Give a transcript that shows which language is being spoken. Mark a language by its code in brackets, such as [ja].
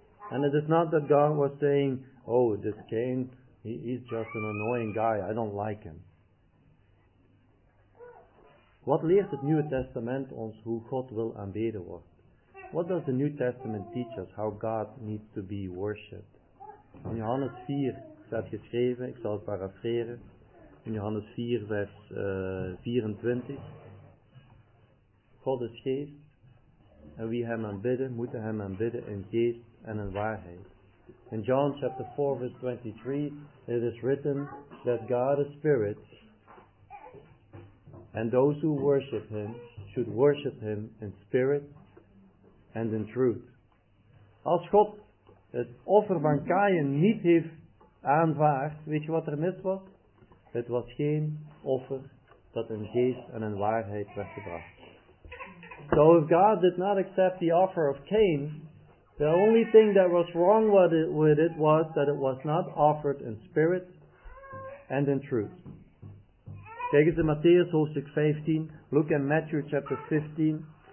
[en] And it is not that God was saying, oh, this Cain, he's just an annoying guy, I don't like him. [nl] Wat leert het Nieuwe Testament ons hoe God wil aanbeden wordt? [en] What does the New Testament teach us how God needs to be worshipped? [nl] In Johannes 4 staat geschreven, ik zal het parafreren, in Johannes 4 vers 24. God is geest en wie hem aanbidden, moeten hem aanbidden in geest en in waarheid. [en] In John chapter 4 vers 23, it is written that God is spirit. And those who worship him should worship him in spirit and in truth. [nl] Als God het offer van Cain niet heeft aanvaard, weet je wat er mis was? Het was geen offer dat in geest en in waarheid werd gebracht. [en] So if God did not accept the offer of Cain, the only thing that was wrong with it was that it was not offered in spirit and in truth. [nl] Kijk eens in Matthäus hoofdstuk 15. [en] Look at Matthew chapter 15.